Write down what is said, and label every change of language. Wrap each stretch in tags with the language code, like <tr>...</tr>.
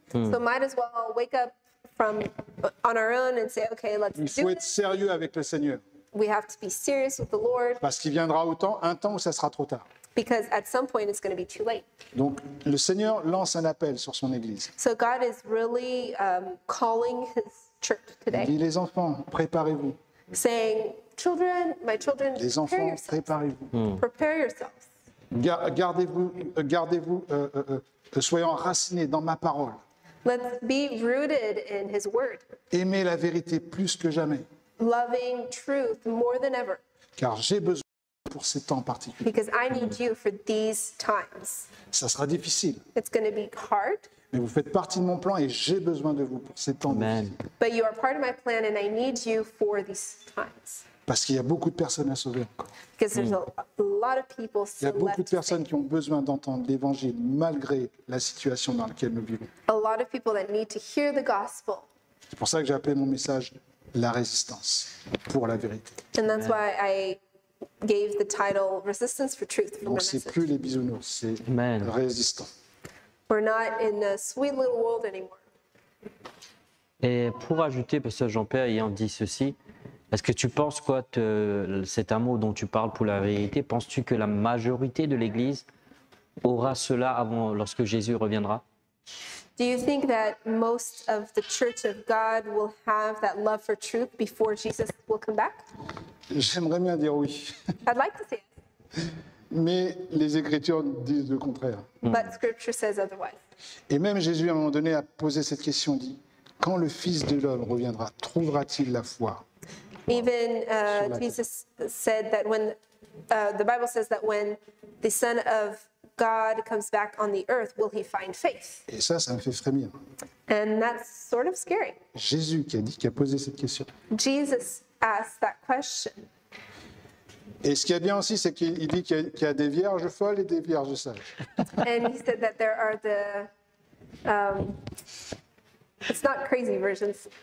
<en>So might as well wake up from on our own and say, okay, let's do</en> <fr>it. Il faut être sérieux avec le Seigneur.</fr> <en>We have to be serious with the Lord.</en> <fr>Parce qu'il viendra un temps où ça sera trop tard.</fr> <en>Because at some point it's going to be too late.</en> <fr>Donc le Seigneur lance un appel sur son église.</fr> <en>So God is really calling his church today.</en> <fr>Il dit, les enfants, préparez-vous.</fr> <en>Saying, children, my children,</en> <fr>les enfants, préparez-vous.</fr> <en>Prepare yourselves.</en> <fr>Gardez-vous, soyez enracinés dans ma parole.</fr> <en>Let's be rooted in his word.</en> <fr>Aimez la vérité plus que jamais.</fr> <en>Loving truth more than ever.</en> <fr>Car j'ai besoin pour ces temps particuliers.</fr> <en>Because I need you for these times.</en> <fr>Ça sera difficile.</fr> <en>It's going to be hard.</en> <fr>Mais vous faites partie de mon plan et j'ai besoin de vous pour ces temps difficiles.</fr> <en>But you are part of my plan and I need you for these times.</en> <fr>Parce qu'il y a beaucoup de personnes à sauver encore. Il y a beaucoup de personnes qui ont besoin d'entendre l'évangile malgré la situation dans laquelle nous vivons.</fr> <en>A lot of people that need to hear the gospel.</en> <fr>C'est pour ça que j'ai appelé mon message la résistance pour la vérité.</fr> <en>And that's why I gave the title resistance for truth.</en> <fr>Donc c'est plus les bisounours, c'est Amen. Résistant.</fr> <en>We're not in a sweet little world anymore.</en> <fr>Et pour ajouter, parce que Jean-Pierre ayant dit ceci. Est-ce que tu penses quoi, cet amour dont tu parles pour la vérité, penses-tu que la majorité de l'Église aura cela avant, lorsque Jésus reviendra?</fr> <en>Do you think that most of the Church of God will have that love for truth before Jesus will come back?</en> <fr>J'aimerais bien dire oui.</fr> <en>I'd like to say it.</en> <fr>Mais les Écritures disent le contraire.</fr> <en>But Scripture says otherwise.</en> <fr>Et même Jésus, à un moment donné, a posé cette question, dit, quand le Fils de l'homme reviendra, trouvera-t-il la foi?</fr> <en>Even Jesus said that when the Bible says that when the Son of God comes back on the earth, will he find faith?</en> <fr>Et ça, ça me fait frémir.</fr> <en>And that's sort of scary.</en> <fr>Jésus qui a dit, qui a posé cette question.</fr> <en>Jesus asked that question.</en> <fr>Et ce qui est bien aussi, c'est qu'il dit qu'il y a des vierges folles et des vierges sages.</fr> <en>And he said that there are the it's not crazy versions.</en>